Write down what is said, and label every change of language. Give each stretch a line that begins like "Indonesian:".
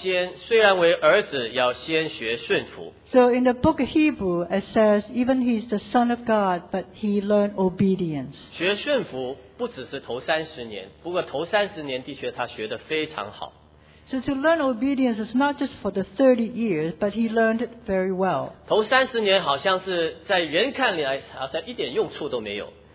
Chinese: 希伯来书告诉我们，他是要先，虽然为儿子，要先学顺服。
English: So in the book of Hebrew, it says even he's the son of God, but he learned obedience.
Chinese: 学顺服不只是头30年，不过头30年的确他学得非常好。
English: So to learn obedience is not just for the 30 years, but he learned it very well.
Chinese: 头30年好像是在人看来好像一点用处都没有。